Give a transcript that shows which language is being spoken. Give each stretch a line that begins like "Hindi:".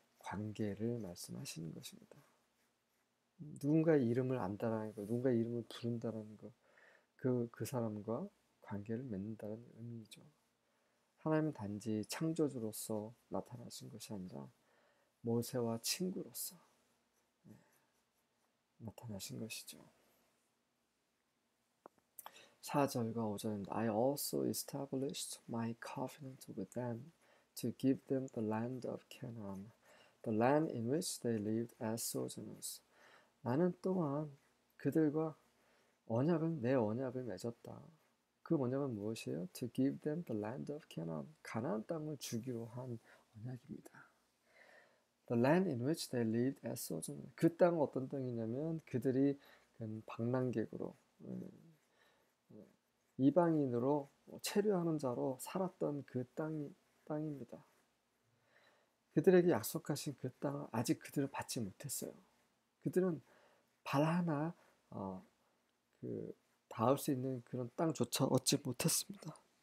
Korean: 관계를 말씀하시는 것입니다. 누군가의 이름을 안다라는 것, 누군가의 이름을 부른다라는 것, 그 사람과 관계를 맺는다는 의미죠. 하나님은 단지 창조주로서 나타나신 것이 아니라 모세와 친구로서 나타나신 것이죠. 4절과 5절입니다.
English: I also established my covenant with them to give them the land of Canaan, the land in which they lived as sojourners.
Korean: 나는 또한 그들과 내 언약을 맺었다. 그 언약은 무엇이에요?
English: To give them the land of Canaan,
Korean: 가나안 땅을 주기로 한 언약입니다.
English: The land in which they lived as sojourners.
Korean: 그 땅은 어떤 땅이냐면 그들이 방랑객으로 이방인으로 체류하는 자로 살았던 그 땅입니다. 그들에게 약속하신 그 땅을 아직 그들은 받지 못했어요. 그들은 발 하나 닿을 수 있는 그런 땅조차 얻지 못했습니다.